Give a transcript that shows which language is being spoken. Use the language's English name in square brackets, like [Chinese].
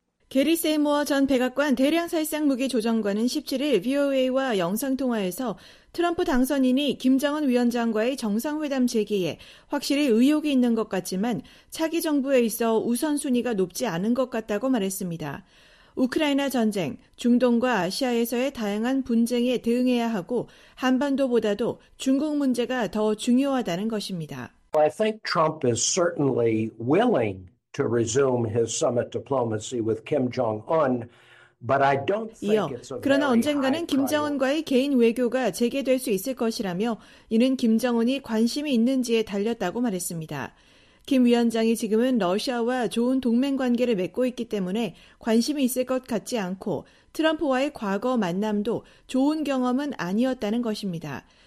[Korean] 게리 세이모어 전 백악관 대량살상무기 조정관은 17일 VOA와 영상통화에서 트럼프 당선인이 김정은 위원장과의 정상회담 재개에 확실히 의혹이 있는 것 같지만 차기 정부에 있어 우선순위가 높지 않은 것 같다고 말했습니다. 우크라이나 전쟁, 중동과 아시아에서의 다양한 분쟁에 대응해야 하고 한반도보다도 중국 문제가 더 중요하다는 것입니다. [English] I think Trump is certainly willing to resume his summit diplomacy with Kim Jong-un. But I don't think [Korean] 이어, 그러나 언젠가는 김정은과의 개인 외교가 재개될 수 있을 것이라며 이는 김정은이 관심이 있는지에 달렸다고 말했습니다. 김 위원장이 지금은 러시아와 좋은 동맹관계를 맺고 있기 때문에 관심이 있을 것 같지 않고 트럼프와의 과거 만남도 좋은 경험은 아니었다는 것입니다.